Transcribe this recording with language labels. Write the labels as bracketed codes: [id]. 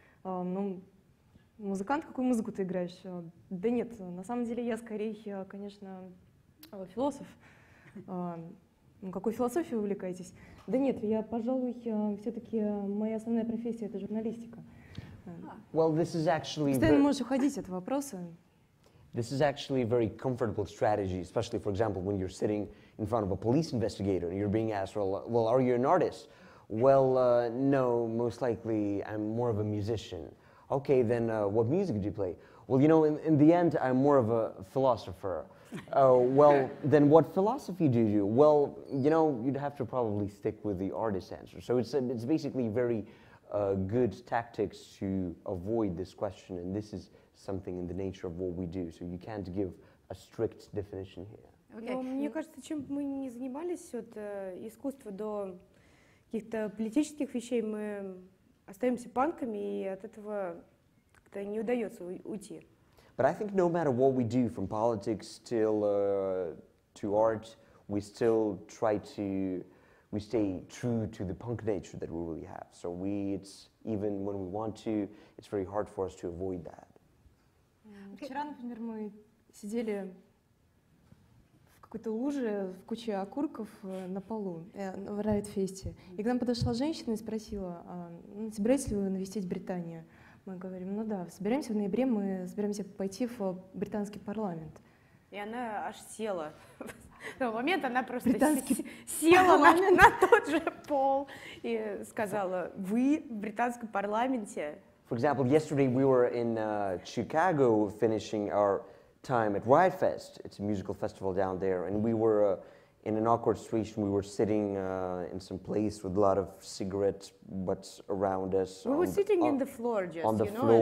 [ru] Ну, музыкант, какую музыку ты играешь? Да нет, на самом деле я скорее, конечно, философ. Ну, какой философией вы увлекаетесь? Да нет, я, пожалуй, все-таки моя основная профессия — это журналистика. [en] Well, this is actually... [ru] Постоянно можешь уходить от вопроса. [en] This is actually a very comfortable strategy, especially, for example, when you're sitting in front of a police investigator and you're being asked, well, are you an artist? Well, no, most likely I'm more of a musician. Okay, then what music do you play? Well, you know, in the end, I'm more of a philosopher. Well, then what philosophy do you do? Well, you know, you'd have to probably stick with the artist answer. So it's basically very good tactics to avoid this question, and this is something in the nature of what we do. So you can't give a strict definition here. Okay. [ru] Well, мне кажется, чем бы мы ни занимались, от искусства до каких-то политических вещей, мы остаемся панками, и от этого как-то не удается уйти. [en] But I think no matter what we do, from politics till to art, we still try to, we stay true to the punk nature that we really have. So we, it's, even when we want to, it's very hard for us to avoid that. [ru] Вчера, например, мы сидели в какой-то луже, в куче окурков на полу, в Райт-фесте. И к нам подошла женщина и спросила, собираетесь ли вы навестить Британию? Мы говорим, ну да, собираемся в ноябре, мы собираемся пойти в британский парламент. И она аж села. В тот момент она просто села на тот же пол и сказала, вы в британском парламенте? [en] For example, yesterday we were in Chicago finishing our time at Riot Fest. It's a musical festival down there. And we were in an awkward situation. We were sitting in some place with a lot of cigarette butts around us. We were sitting on the floor, just on the floor.